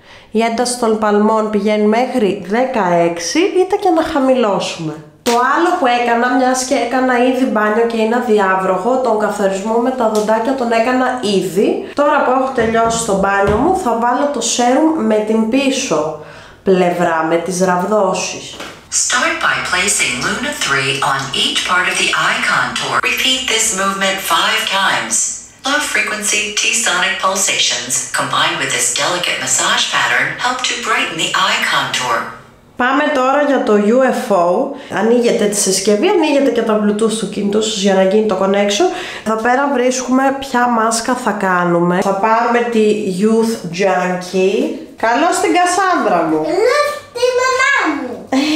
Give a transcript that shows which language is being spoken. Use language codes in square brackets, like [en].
[el] Η ένταση των παλμών πηγαίνει μέχρι 16 είτε και να χαμηλώσουμε. Το άλλο που έκανα, μιας και έκανα ήδη μπάνιο και είναι αδιάβροχο, τον καθαρισμό με τα δοντάκια τον έκανα ήδη. Τώρα που έχω τελειώσει το μπάνιο μου, θα βάλω το σέρουμ με την πίσω πλευρά, με τις ραβδόσεις. [en] Start by placing Luna 3 on each part of the eye contour. Repeat this movement 5 times. Low frequency T-sonic pulsations combined with this delicate massage pattern help to brighten the eye contour. [el] Πάμε τώρα για το UFO. Ανοίγετε τη συσκευή, ανοίγετε και τα Bluetooth του κινητού σας για να γίνει το connection. Εδώ πέρα βρίσκουμε ποια μάσκα θα κάνουμε. Θα πάρουμε τη Youth Junkie. Καλώς την Κασάνδρα μου. Καλώς τη μαμά μου.